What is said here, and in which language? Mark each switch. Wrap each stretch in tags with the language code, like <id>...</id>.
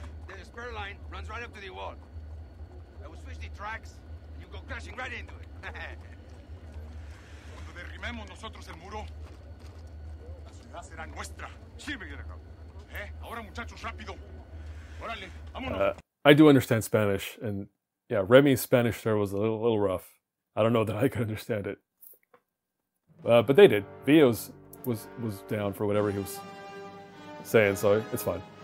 <en>The spur line runs right up to the wall. I will switch the tracks, and you go crashing right into it.</en> <es>Cuando derrimemos nosotros el muro, la ciudad será nuestra. Sí, mi General. Ahora, muchachos, rápido. Órale, vámonos.</es> <en>I do understand Spanish, and yeah, Remy's Spanish there was a little rough. I don't know that I could understand it. But they did. Vio's was down for whatever he was saying, so it's fine.</en>